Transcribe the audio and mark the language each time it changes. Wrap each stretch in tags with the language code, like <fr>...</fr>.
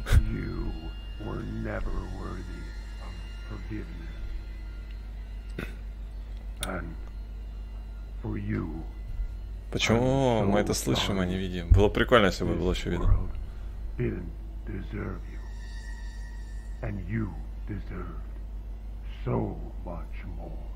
<en>You were never worthy of forgiveness. And for you.</en> <ru>Почему мы это слышим, а не видим? Было прикольно, если бы было еще видно.</ru> <en>Didn't deserve you. And you deserved so much more.</en>